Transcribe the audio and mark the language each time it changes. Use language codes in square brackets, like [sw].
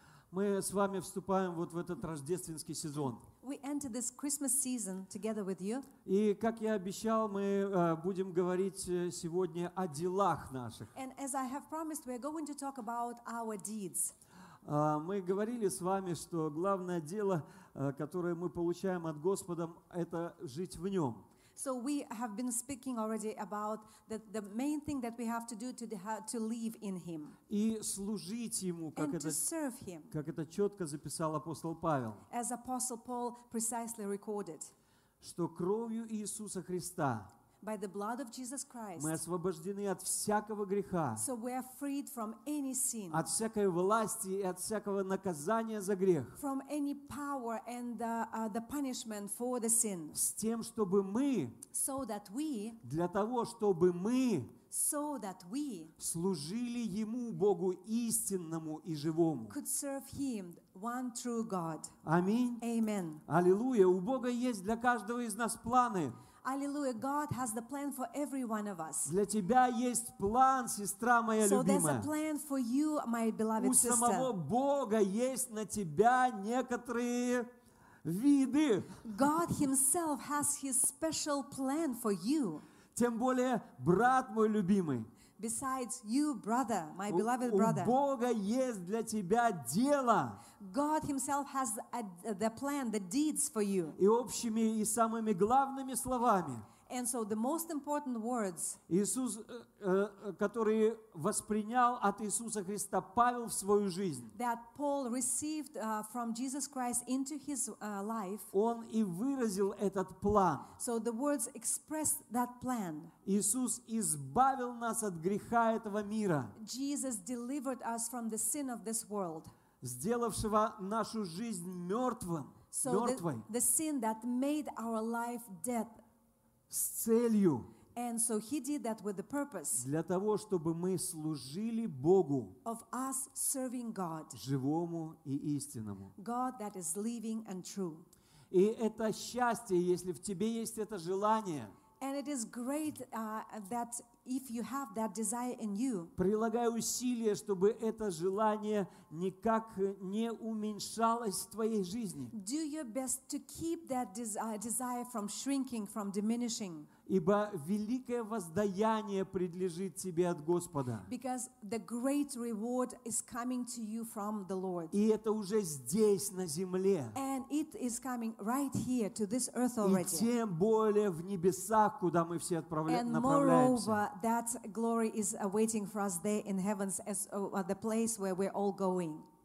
[ru] Мы с вами вступаем вот в этот рождественский сезон. [en] We enter this Christmas season together with you. [ru] И, как я обещал, мы будем говорить сегодня о делах наших. [en] And as I have promised, we are going to talk about our deeds. [ru] Мы говорили с вами, что главное дело, которое мы получаем от Господа, это жить в Нем. [en] So we have been speaking already about the main thing that we have to do to live in Him. [ru] И служить Ему, как это, [en] and to serve Him. [ru] Как это четко записал апостол Павел. [en] As Apostle Paul precisely recorded. [ru] Что кровью Иисуса Христа. [en] By the blood of Jesus Christ. [ru] Мы освобождены от всякого греха. [en] So we are freed from any sin. [ru] От всякой власти и от всякого наказания за грех. [en] From any power and the punishment for the sin. [ru] С тем, чтобы мы. [en] So that we. [ru] Для того, чтобы мы. [en] So that we. [ru] Служили Ему, Богу истинному и живому. [en] Could serve Him, one true God. [ru] Аминь. [en] Amen. [ru] Аллилуйя. У Бога есть для каждого из нас планы. [en] Hallelujah, God has the plan for every one of us. [ru] Для тебя есть план, сестра моя любимая. [en] So there's a plan for you, my beloved sister. [ru] У самого Бога есть на тебя некоторые виды. [en] God himself has his special plan for you. [ru] Тем более, брат мой любимый. [en] Besides you, brother, my beloved brother. [ru] У Бога есть для тебя дело. [en] God himself has the plan, the deeds for you. [ru] И общими и самыми главными словами. [en] And so the most important words. [ru] Иисус, который воспринял от Иисуса Христа Павел в свою жизнь. [en] That Paul received from Jesus Christ into his life. [ru] Он и выразил этот план. [en] So the words expressed that plan. [ru] Иисус избавил нас от греха этого мира. [en] Jesus delivered us from the sin of this world. [ru] Сделавшего нашу жизнь мертвым, [en] so [ru] мертвой. [en] The sin that made our life dead. [ru] С целью. [en] And so he did that with the purpose. [ru] Для того, чтобы мы служили Богу. [en] Of us serving God. [ru] Живому и истинному. [en] God that is living and true. [ru] И это счастье, если в тебе есть это желание. [en] And it is great that if you have that desire in you. [ru] Прилагай усилия, чтобы это желание никак не уменьшалось в твоей жизни. [en] Do your best to keep that desire from shrinking, from diminishing. [ru] Ибо великое воздаяние предлежит тебе от Господа. [en] Because the great reward is coming to you from the Lord. [ru] И это уже здесь, на земле. [en] And it is coming right here to this earth already. [ru] И тем более в небесах, куда мы все направляемся. [en] And moreover, that glory is waiting for us there in heavens as the place where we're all going.